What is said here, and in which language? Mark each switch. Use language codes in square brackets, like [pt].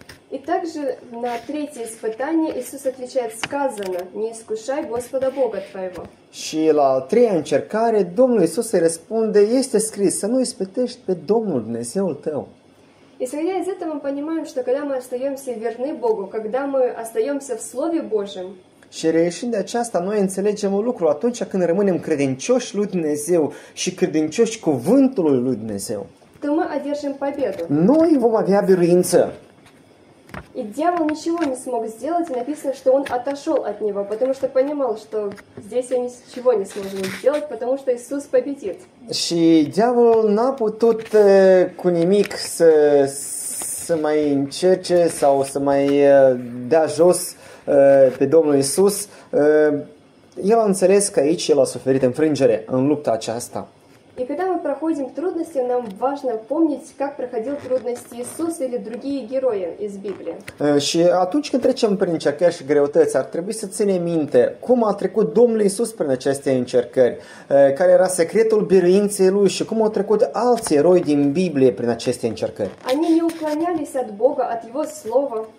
[ru] И также на третье испытание Иисус отвечает: сказано, не искушай Господа Бога твоего. [ro] Și la a treia încercare Domnul Iisus îi răspunde: este scris, să nu ispitești pe Domnul Dumnezeul tău. [ru] Исходя из этого мы понимаем, что когда мы остаемся верны Богу, когда мы остаемся в Слове Божьем. [ro] Și reieșind de aceasta, noi înțelegem un lucru: atunci când rămânem credincioși lui Dumnezeu și credincioși cuvântului lui Dumnezeu. [ru] То мы одержим победу. [ro] Noi vom avea biruință. [ru] И дьявол ничего не смог сделать, и написано, что он отошел от него, потому что понимал, что здесь я ничего не смогу сделать, потому что Иисус победит. [ro] Și diavolul n-a putut cu nimic să mai încerce sau să mai dea jos pe Domnul Iisus. El a înțeles că aici el a suferit înfrângere în lupta aceasta. [ru] И когда мы проходим трудности, нам важно помнить, как проходил трудности Иисус или другие герои из Библии. [ro] Și atunci când trecem prin încercări și greutăți, ar trebui să ținem minte cum a trecut Domnul Iisus prin aceste încercări, care era secretul biruinței lui și cum au trecut alți eroi din Biblie prin aceste încercări. [ru] Они не уклонялись от Бога, от Его Слова.